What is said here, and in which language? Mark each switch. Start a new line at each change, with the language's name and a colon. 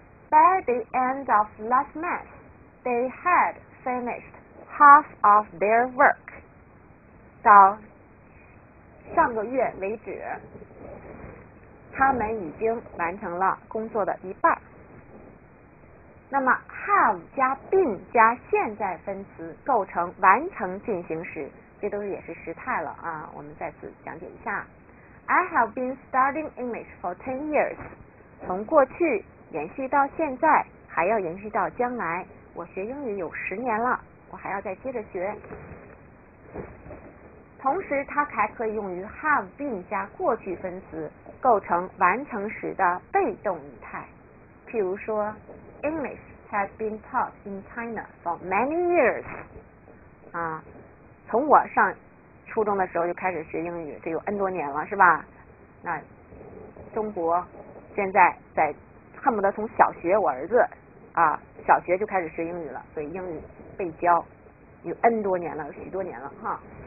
English: By the end of last month， they had finished half of their work。
Chinese: 到上个月为止，他们已经完成了工作的一半。那么 have 加 been 加现在分词构成完成进行时，这都是也是时态了啊。我们再次讲解一下 ，
English: I have been studying English for 10 years，
Chinese: 从过去延续到现在，还要延续到将来。我学英语有10年了，我还要再接着学。同时，它还可以用于 have been 加过去分词，构成完成时的被动语态。譬如说
English: ，English has been taught in China for many years。
Chinese: 啊，从我上初中的时候就开始学英语，这有 N 多年了，是吧？那中国现在在恨不得从小学，我儿子啊，小学就开始学英语了，所以英语被教有 N 多年了，有许多年了哈。